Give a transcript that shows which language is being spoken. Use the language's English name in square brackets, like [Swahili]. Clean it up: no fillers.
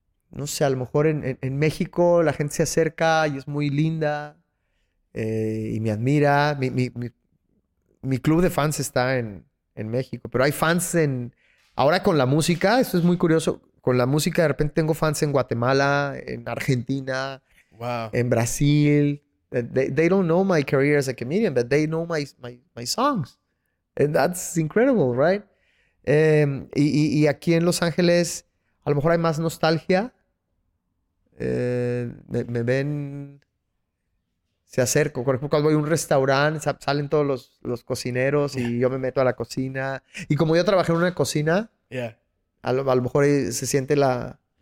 [Spanish] no sé, a lo mejor en México la gente se acerca y es muy linda y me admira. Mi club de fans está en México, pero hay fans en... Ahora con la música, esto es muy curioso, con la música de repente tengo fans en Guatemala, en Argentina, en Brasil. [English] They don't know my career as a comedian, but they know my songs. And that's incredible, right? [Spanish] Y aquí en Los Ángeles, a lo mejor hay más nostalgia. Me ven, se acerco. Por ejemplo, cuando voy a un restaurante, salen todos los cocineros y yo me meto a la cocina. Y como yo trabajé en una cocina, a lo mejor se siente la...